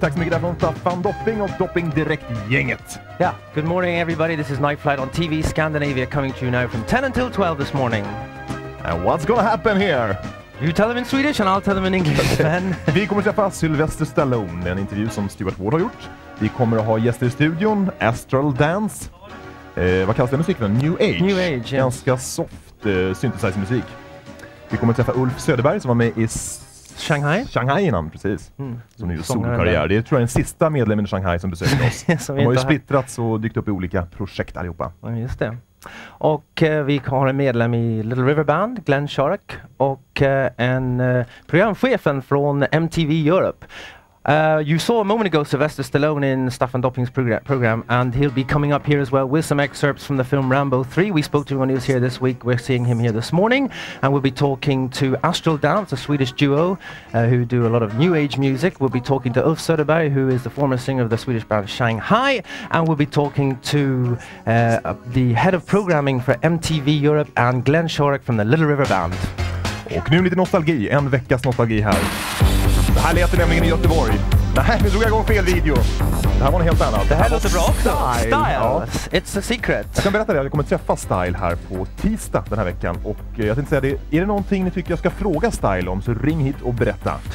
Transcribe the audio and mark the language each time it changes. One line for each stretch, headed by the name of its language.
Swedish: Tack så mycket därifrån Staffan Dopping och Dopping direkt gänget.
English: Yeah, good morning everybody. This is Nightflight on TV Scandinavia coming to you now from 10 until 12 this morning. And what's gonna happen here? You tell them in Swedish and I'll tell them in English then.
Swedish: Vi kommer att träffa Sylvester Stallone. Det är en intervju som Stuart Ward har gjort. Vi kommer att ha gäster i studion, Astral Dance. Vad kallas den musiken? New Age.
English: New Age, yeah.
Swedish: Ganska soft synthesizer musik. Vi kommer att träffa Ulf Söderberg som var med i Shanghai. Shanghai innan, precis. Mm. Som nu gör solkarriär. Det är, tror jag, den sista medlemmen i Shanghai som besöker oss. Som de har ju splittrats och dykt upp i olika projekt allihopa. Ja, just det. Och vi har en medlem i Little River Band, Glenn Shorrock. Och en programchefen från MTV Europe.
English: You saw a moment ago Sylvester Stallone in Staffan Dopping's program, and he'll be coming up here as well with some excerpts from the film Rambo 3. We spoke to him when he was here this week. We're seeing him here this morning, and we'll be talking to Astral Dance, a Swedish duo who do a lot of New Age music. We'll be talking to Uffe Söderberg, who is the former singer of the Swedish band Shanghai, and we'll be talking to the head of programming for MTV Europe and Glenn Shorrock from the Little River Band.
Swedish: Och nu lite nostalgi, en veckas nostalgi här. Det här lät nämligen i Göteborg. Nej, nu drog jag igång fel video. Det här var en helt annan. Det här låter bra också. Style. Ja.
English: It's a secret.
Swedish: Jag kan berätta det. Jag kommer träffa Style här på tisdag den här veckan. Och jag tänkte säga, är det någonting ni tycker jag ska fråga Style om, så ring hit och berätta.